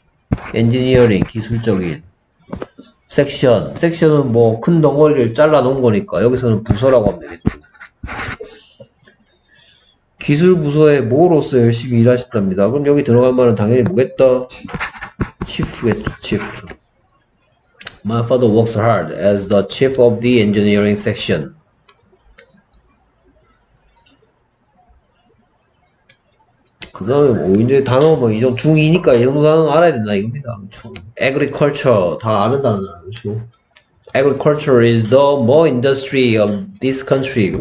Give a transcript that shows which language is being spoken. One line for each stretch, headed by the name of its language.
Korean: 엔지니어링, 기술적인 섹션. 섹션은 뭐 큰 덩어리를 잘라 놓은 거니까 여기서는 부서라고 하면 되겠죠. 기술 부서에 뭐로서 열심히 일하셨답니다. 그럼 여기 들어갈 말은 당연히 뭐겠다? chief겠죠, chief.
English: My father works hard as the chief of the engineering section.
Korean: 그 다음에 뭐 이제 단어 뭐 이 정도 중2니까 이 정도 단어 알아야 된다 이겁니다. 애그리컬처 다 아는다는 거죠.
English: Agriculture is the more industry of this country.